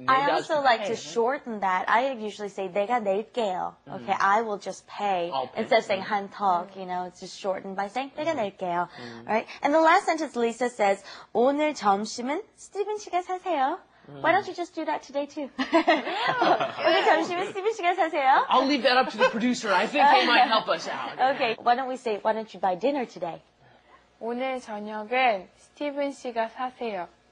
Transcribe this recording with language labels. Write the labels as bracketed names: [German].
[English] I also like to shorten that. I usually say [Korean] 내가 낼게요. [English] Okay, I will just pay. Instead of saying 한 턱, you know, it's just shortened by saying [Korean] 내가 낼게요. [English] All right. And the last sentence, Lisa says, [Korean] 오늘 점심은 스티븐 씨가 사세요. [English] Why don't you just do that today, too? [Korean] 오늘 점심은 스티븐 씨가 사세요. [English] I'll leave that up to the producer. I think he might help us out. Okay, why don't we say, why don't you buy dinner today? [Korean] 오늘 저녁은 스티븐 씨가 사세요.